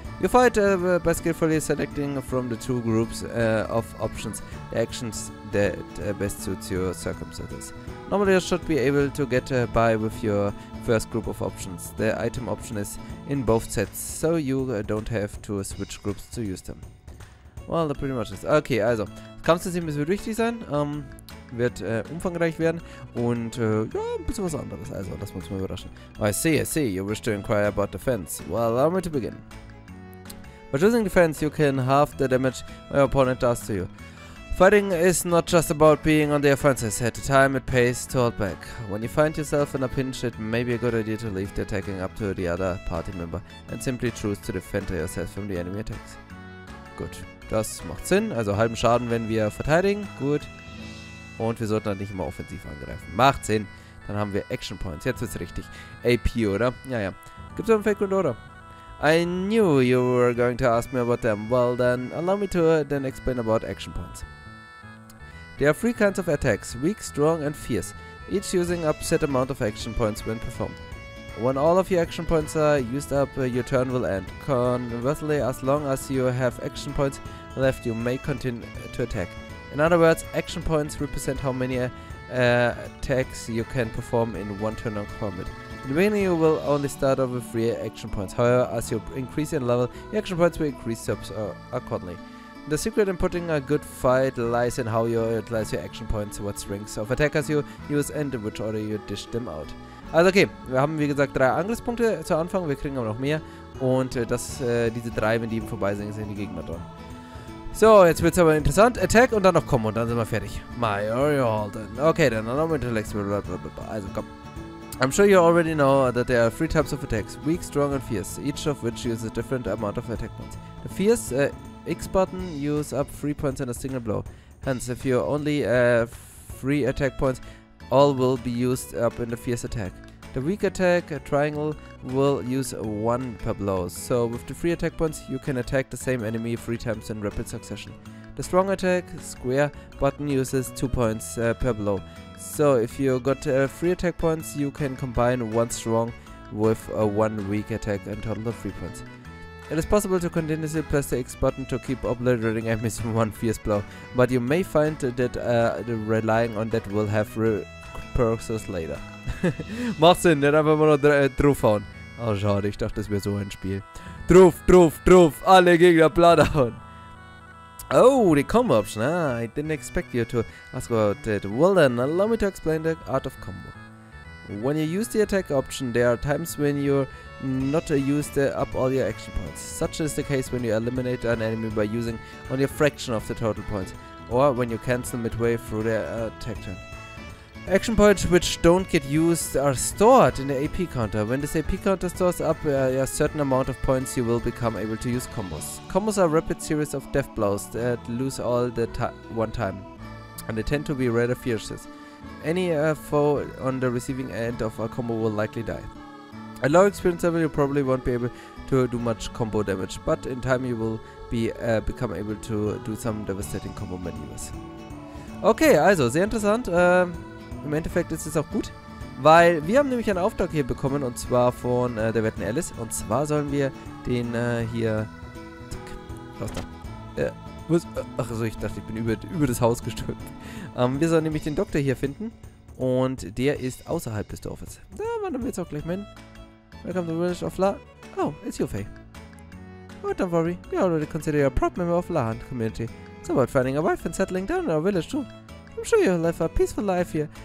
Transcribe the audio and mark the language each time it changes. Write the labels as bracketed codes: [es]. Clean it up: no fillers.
[en] You fight by skillfully selecting from the two groups of options the actions that best suits your circumstances. Normally you should be able to get by with your first group of options. The item option is in both sets, so you don't have to switch groups to use them. Well, that pretty much is. [de] Okay, also, das Kampfsystem wird wichtig sein. Wird umfangreich werden und ja, ein bisschen was anderes. Also, das muss man überraschen. [en] I see, you wish to inquire about defense. Well, allow me to begin. By choosing defense, you can halve the damage your opponent does to you. Fighting is not just about being on the offensive. At the time, it pays to hold back. When you find yourself in a pinch, it may be a good idea to leave the attacking up to the other party member and simply choose to defend yourself from the enemy attacks. [de] Gut, das macht Sinn. Also, halben Schaden, wenn wir verteidigen. Gut. Und wir sollten dann nicht immer offensiv angreifen. Macht Sinn. Dann haben wir Action Points. Jetzt wird's richtig. AP, oder? Ja, ja. Gibt's einen Fake Order? [en] I knew you were going to ask me about them. Well, then, allow me to then explain about Action Points. There are three kinds of attacks. Weak, strong and fierce. Each using a set amount of Action Points when performed. When all of your Action Points are used up, your turn will end. Conversely, as long as you have Action Points left, you may continue to attack. In other words, action points represent how many attacks you can perform in one turn of combat. In the beginning, you will only start off with 3 action points. However, as you increase in level, your action points will increase accordingly. The secret in putting a good fight lies in how you utilize your action points, what strengths of attackers you use and in which order you dish them out. [de] Also okay, wir haben wie gesagt 3 Angriffspunkte zu Anfang, wir kriegen aber noch mehr. Und diese 3, wenn die eben vorbei sind, sind die Gegner dran. So, jetzt wird's aber interessant. Attack und dann noch Kombo und dann sind wir fertig. [en] My or your Holden. [de] Okay, dann noch mit Intellect. Blablabla. Also komm. [en] I'm sure you already know that there are 3 types of attacks. Weak, strong and fierce. Each of which uses a different amount of attack points. The fierce X button use up 3 points in a single blow. Hence, if you only have 3 attack points, all will be used up in the fierce attack. The weak attack, a triangle, will use 1 per blow. So with the 3 attack points, you can attack the same enemy 3 times in rapid succession. The strong attack, square button, uses 2 points per blow. So if you got 3 attack points, you can combine 1 strong with 1 weak attack and total of 3 points. It is possible to continuously press the X button to keep obliterating enemies from 1 fierce blow, but you may find that relying on that will have repercussions later. [de] Macht Sinn, dann einfach mal noch draufhauen. Oh schade, ich dachte, das wäre so ein Spiel. Druf, druf, druf, alle Gegner plattern. [en] Oh, the combo option. I didn't expect you to ask about it. Well then, allow me to explain the art of combo. When you use the attack option, there are times when you not use up all your action points. Such is the case when you eliminate an enemy by using only a fraction of the total points, or when you cancel midway through their attack turn. Action points which don't get used are stored in the AP counter. When this AP counter stores up a certain amount of points, you will become able to use combos. Combos are rapid series of death blows that lose all the one time, and they tend to be rather fierce. Any foe on the receiving end of a combo will likely die. At low experience level, you probably won't be able to do much combo damage, but in time you will become able to do some devastating combo maneuvers. [de] Okay, also, sehr interessant. Im Endeffekt ist es auch gut, weil wir haben nämlich einen Auftrag hier bekommen, und zwar von der Wetten Alice. Und zwar sollen wir den hier... Zack, raus da. Achso, ich dachte, ich bin über das Haus gestürmt. Wir sollen nämlich den Doktor hier finden, und der ist außerhalb des Dorfes. Da wandern wir jetzt auch gleich mal hin. [en] Welcome to the village of Lahan. Oh, it's you, Fei. Oh, don't worry. We already consider you a proud member of Lahan community. It's about finding a wife and settling down in our village, too. I'm sure you'll live a peaceful life here.